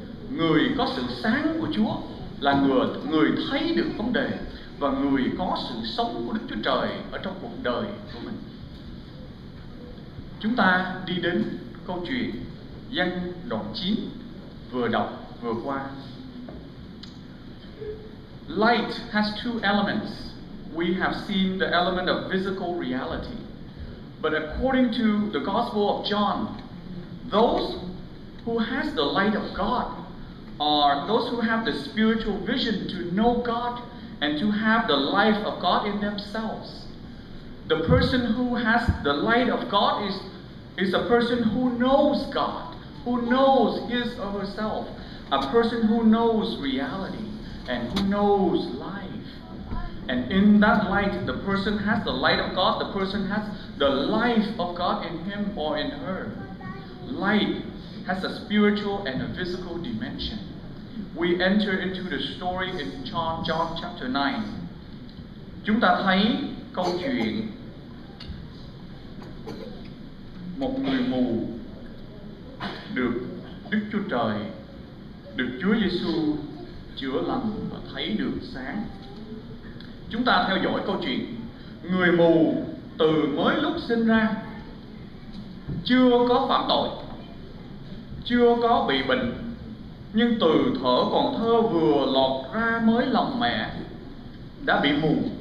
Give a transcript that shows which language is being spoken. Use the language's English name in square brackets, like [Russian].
[Vietnamese] Người có sự sáng của Chúa là người thấy được vấn đề và người có sự sống của Đức Chúa Trời ở trong cuộc đời của mình. Chúng ta đi đến câu chuyện Giăng đoạn 9 vừa đọc vừa qua. [English] Light has two elements. We have seen the element of physical reality. But according to the Gospel of John, those who has the light of God are those who have the spiritual vision to know God and to have the life of God in themselves. The person who has the light of God is a person who knows God, who knows his or herself, a person who knows reality and who knows life. And in that light, the person has the light of God, the person has the life of God in him or in her. Light has a spiritual and a physical dimension. We enter into the story in John chapter 9. [Vietnamese] Chúng ta thấy câu chuyện một người mù được Đức Chúa Trời, được Chúa Giêsu chữa lành và thấy được sáng. Chúng ta theo dõi câu chuyện, người mù từ mới lúc sinh ra chưa có phạm tội, chưa có bị bệnh, nhưng từ thở còn thơ vừa lọt ra mới lòng mẹ đã bị mù,